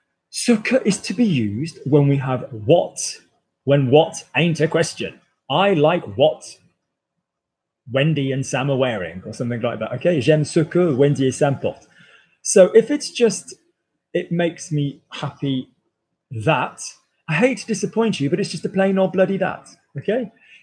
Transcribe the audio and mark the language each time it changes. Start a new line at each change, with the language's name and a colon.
English: Ce que is to be used when we have what, when what ain't a question. I like what Wendy and Sam are wearing or something like that.
French: Okay, j'aime ce que Wendy et Sam portent.
English: So if it's just, it makes me happy that, I hate to disappoint you, but it's just a plain old bloody that, okay?